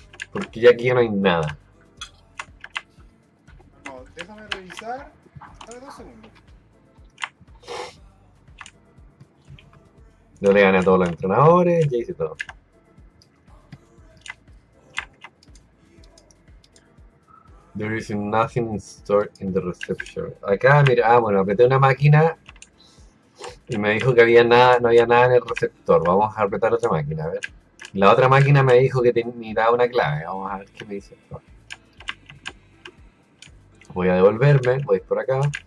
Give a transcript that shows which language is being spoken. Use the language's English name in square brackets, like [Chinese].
[Spanish] Porque ya aquí no hay nada. No, déjame revisar. Dame 2 segundos. Yo le gané a todos los entrenadores, ya hice todo. [English] There is nothing in store in the reception. [Spanish] Acá, mira, ah, bueno, apreté una máquina y me dijo que había nada, no había nada en el receptor. Vamos a apretar otra máquina, a ver. La otra máquina me dijo que tenía una clave. Vamos a ver qué me dice. Voy a devolverme, voy por acá.